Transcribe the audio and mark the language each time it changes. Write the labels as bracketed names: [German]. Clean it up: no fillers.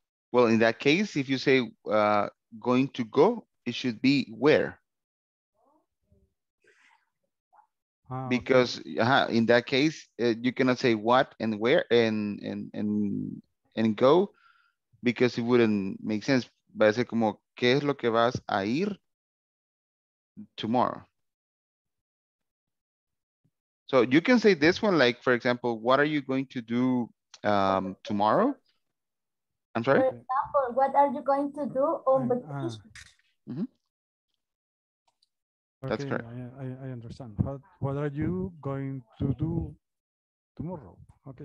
[English] Well, in that case, if you say going to go, it should be where? Because okay. In that case, you cannot say what and where and go, because it wouldn't make sense. [Spanish] Va a ser como, ¿qué es lo que vas a ir [English] tomorrow? So you can say this one, like, for example, what are you going to do tomorrow? I'm sorry? For example, what are you going to do on vacation? Okay, that's correct. I understand. What are you going to do tomorrow? Okay.